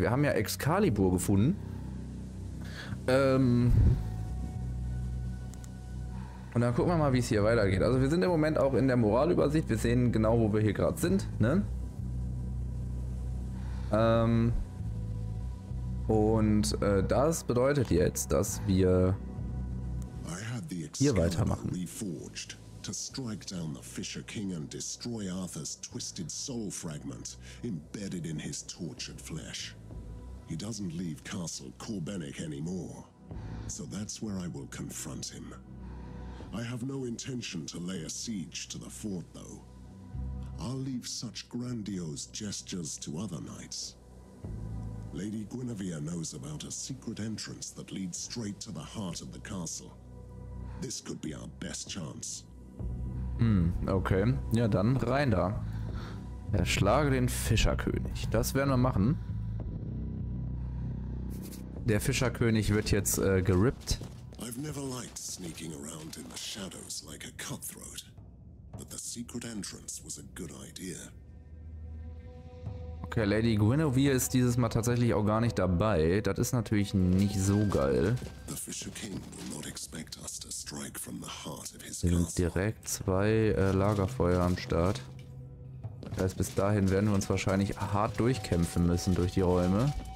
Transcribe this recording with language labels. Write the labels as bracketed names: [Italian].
[German] Wir haben ja Excalibur gefunden. Und dann gucken wir mal, wie es hier weitergeht. Also wir sind im Moment auch in der Moralübersicht. Wir sehen genau, wo wir hier gerade sind, ne? Und das bedeutet jetzt, dass wir hier weitermachen. [English] Reforged to strike down the Fisher King and destroy Arthur's twisted soul fragment embedded in his tortured flesh. He doesn't leave Castle Corbenic anymore. So that's where I will confront him. I have no intention to lay a siege to the fort though. I'll leave such grandiose gestures to other knights. Lady Guinevere knows about a secret entrance that leads straight to the heart of the castle. This could be our best chance. [German] Okay. Ja, dann rein da. Erschlage den Fischerkönig. Das werden wir machen. Der Fischerkönig wird jetzt gerippt. [English] I've never liked sneaking around in the shadows like a cutthroat. But the secret entrance was a good idea. [German] Okay, Lady Guinevere ist dieses Mal tatsächlich auch gar nicht dabei. Das ist natürlich nicht so geil. Wir sind direkt zwei Lagerfeuer am Start. Das heißt, bis dahin werden wir uns wahrscheinlich hart durchkämpfen müssen durch die Räume.